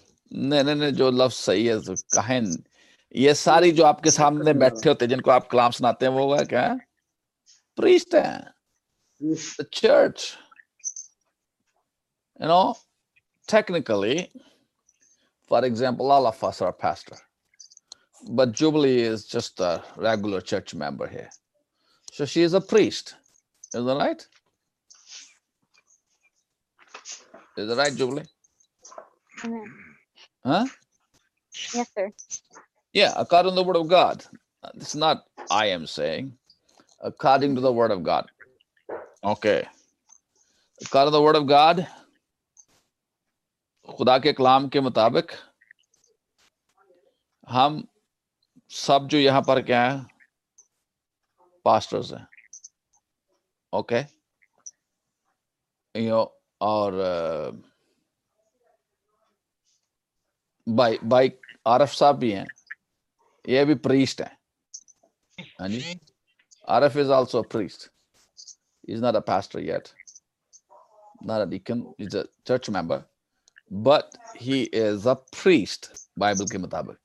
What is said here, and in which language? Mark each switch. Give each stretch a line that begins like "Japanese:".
Urdu: نہیں نہیں نہیں, جو لفظ صحیح ہے کہن. یہ ساری جو آپ کے سامنے بیٹھے ہوتے جن کو آپ کلام سناتے ہیں, وہ ہے کیا؟ پریسٹ ہیں, church,
English: You know. Technically for example all of us are pastor, but Jubilee is just a regular church member here, so she is a priest, isn't that right? Is that right, Jubilee? Amen. Huh? Yes, sir. Yeah, according to the word of God. It's not I am saying, according to the word of God. Okay, according to the word of God,
Urdu: khuda ke kalam ke mutabik hum سب جو یہاں پر کیا ہیں, pastors ہیں. Okay, اور بھائی عارف صاحب بھی ہیں, یہ بھی پریسٹ ہیں. ہاں جی,
English: Arif is also priest, is not a pastor yet, not a deacon, is a church member, but he is a priest
Urdu: Bible کے مطابق.